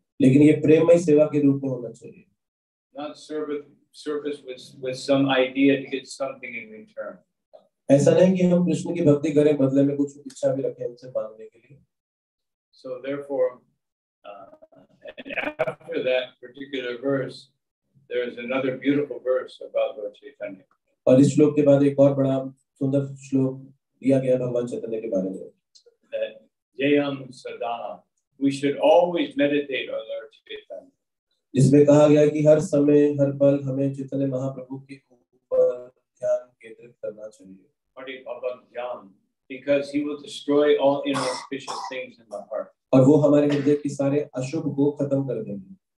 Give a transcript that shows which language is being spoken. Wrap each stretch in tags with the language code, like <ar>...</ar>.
<hi>लेकिन ये प्रेममय सेवा के रूप में होना चाहिए</hi> <en>Not service with some idea to get something in return.</en> <hi>ऐसा नहीं कि हम कृष्ण की भक्ति करें बदले में कुछ इच्छा भी रखें उनसे मांगने के लिए</hi> <en>So therefore, and after that particular verse, there is another beautiful verse about Lord Chaitanya.</en> <hi>और इस श्लोक के बाद एक और बड़ा सुंदर श्लोक दिया गया भगवान चैतन्य के बारे में</hi> <sa>जयम सदा</sa> <en>we should always meditate on Lord Chaitanya.</en> <hi>इसमें कहा गया कि हर समय हर पल हमें चैतन्य महाप्रभु के ऊपर ध्यान केंद्रित करना चाहिए</hi> <sa>बड़ी भगवान ध्यान</sa> <en>because he will destroy all inauspicious things in the heart.</en> <hi>और वो हमारे हृदय के सारे अशुभ को खत्म कर देंगे</hi>